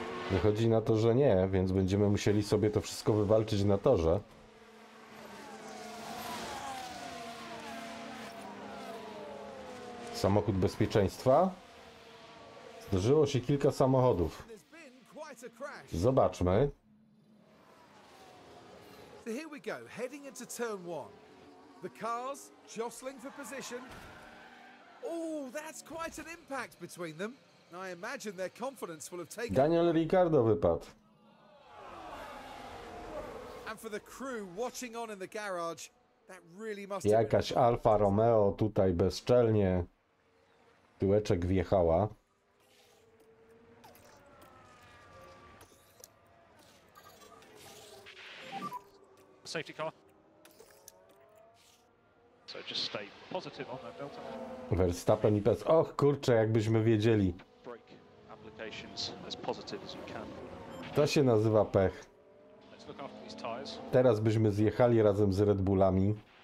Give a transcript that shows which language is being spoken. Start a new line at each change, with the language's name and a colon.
Polish: Wychodzi na to, że nie, więc będziemy musieli sobie to wszystko wywalczyć na torze. Samochód bezpieczeństwa. Zdarzyło się kilka samochodów. Zobaczmy.
English: So here we go, heading into turn one. The cars jostling for position. Oh, that's quite an impact between them. I imagine their confidence will have taken.
Polish: Daniel Ricciardo wypadł.
English: And for the crew watching on in the garage, that really must.
Polish: Jakaś Alfa Romeo tutaj bezczelnie tyłeczek wjechała.
English: Safety car. So just stay positive on that belt.
Polish: Verstappen i Perez. Och, kurczę, jakbyśmy wiedzieli.
English: Brake applications as positive as we can.
Polish: To się nazywa pech.
English: Let's look after these tires.
Polish: Teraz byśmy zjechali razem z Red Bullami.